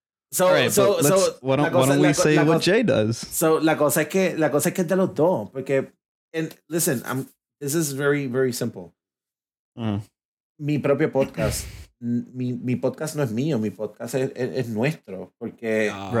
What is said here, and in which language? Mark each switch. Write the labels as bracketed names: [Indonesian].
[English] So, what don't we say what Jay does? [Spanish] So, la cosa es que es de los dos. Porque, [English] and listen, this is very, very simple. [Spanish] Mi propio podcast. Mi podcast no es mío, mi podcast es nuestro, porque